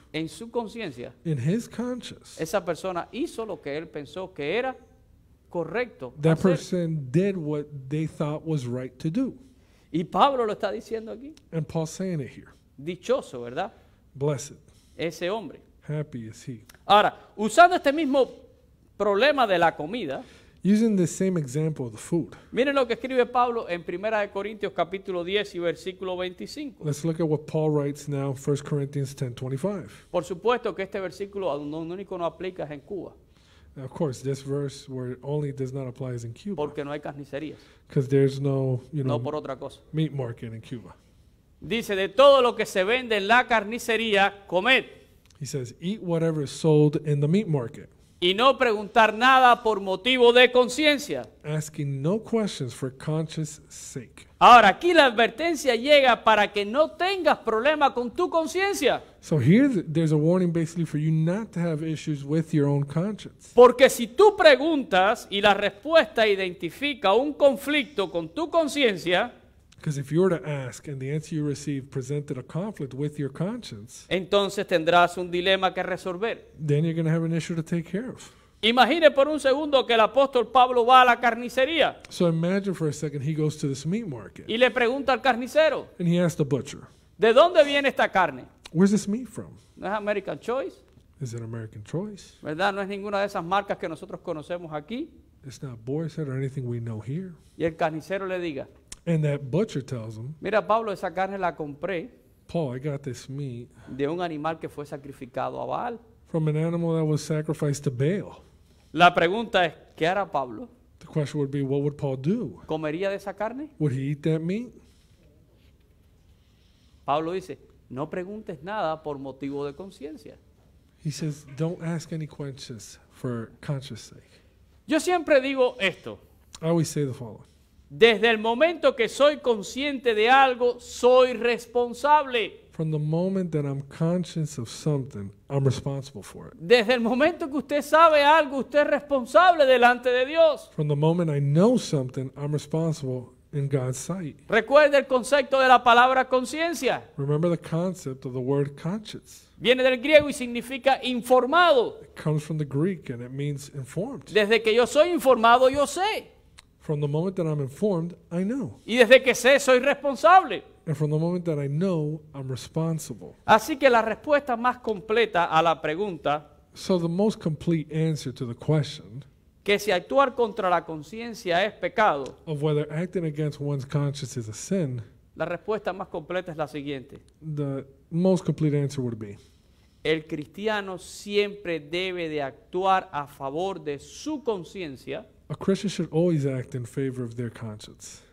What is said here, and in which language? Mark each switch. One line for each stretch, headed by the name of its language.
Spanish: En su conciencia.
English: In his conscience.
Spanish: Esa persona hizo lo que él pensó que era correcto.
English: That hacer. Person did what they thought was right to do.
Spanish: Y Pablo lo está diciendo aquí.
English: And Paul's saying it here.
Spanish: Dichoso, ¿verdad?
English: Blessed.
Spanish: Ese hombre.
English: Happy is he.
Spanish: Ahora, usando este mismo problema de la comida.
English: Using the same example of the food.
Spanish: Miren lo que escribe Pablo en 1 Corintios capítulo 10 y versículo 25.
English: Let's look at what Paul writes now in 1 Corinthians 10:25.
Spanish: Por supuesto que este versículo lo único no aplica es en Cuba.
English: Of course, this verse where it only does not apply is in Cuba.
Spanish: Porque no hay carnicerías.
English: Because there's no, you know,
Spanish: no por otra cosa.
English: Meat market in Cuba.
Spanish: Dice, de todo lo que se vende en la carnicería, comed.
English: He says, eat whatever is sold in the meat market.
Spanish: Y no preguntar nada por motivo de conciencia.
English: Asking no questions for conscience sake.
Spanish: Ahora, aquí la advertencia llega para que no tengas problema con tu conciencia.
English: So here there's a warning basically for you not to have issues with your own conscience.
Spanish: Porque si tú preguntas y la respuesta identifica un conflicto con tu conciencia.
English: Because if you were to ask and the answer you received presented a conflict with your conscience.
Spanish: Entonces tendrás un dilema que resolver.
English: Then you're going to have an issue to take care of.
Spanish: Imagine por un segundo que el apóstol Pablo va a la carnicería.
English: So imagine for a second he goes to this meat market.
Spanish: Y le pregunta al carnicero.
English: And he asks the butcher.
Spanish: ¿De dónde viene esta carne?
English: Where's this meat from?
Spanish: ¿No es American Choice?
English: Is it American Choice?
Spanish: ¿Verdad? No es ninguna de esas marcas que nosotros conocemos aquí.
English: It's not Boar's Head or anything we know here.
Spanish: Y el carnicero le diga.
English: And that butcher tells him.
Spanish: Mira, Pablo, esa carne la compré.
English: Paul, I got this meat.
Spanish: De un animal que fue sacrificado a Baal.
English: From an animal that was sacrificed to Baal.
Spanish: La pregunta es, ¿qué hará Pablo?
English: The question would be, what would Paul do?
Spanish: ¿Comería de esa carne?
English: Would he eat that meat?
Spanish: Pablo dice, no preguntes nada por motivo de conciencia.
English: He says, don't ask any questions for conscience sake.
Spanish: Yo siempre digo esto.
English: I always say the following.
Spanish: Desde el momento que soy consciente de algo, soy responsable.
English: From the moment that I'm conscious of something, I'm responsible for it.
Spanish: Desde el momento que usted sabe algo, usted es responsable delante de Dios.
English: From the moment I know something, I'm responsible in God's sight.
Spanish: Recuerde el concepto de la palabra conciencia.
English: Remember the concept of the word conscience.
Spanish: Viene del griego y significa informado.
English: It comes from the Greek and it means informed.
Spanish: Desde que yo soy informado, yo sé.
English: From the moment that I'm informed, I know.
Spanish: Y desde que sé, soy responsable.
English: And from the moment that I know, I'm responsible.
Spanish: Así que la respuesta más completa a la pregunta.
English: So the most complete answer to the question.
Spanish: Que si actuar contra la conciencia es pecado.
English: Of whether acting against one's conscience is a sin.
Spanish: La respuesta más completa es la siguiente.
English: The most complete answer would be.
Spanish: El cristiano siempre debe de actuar a favor de su conciencia.
English: A Christian should always act in favor of their conscience.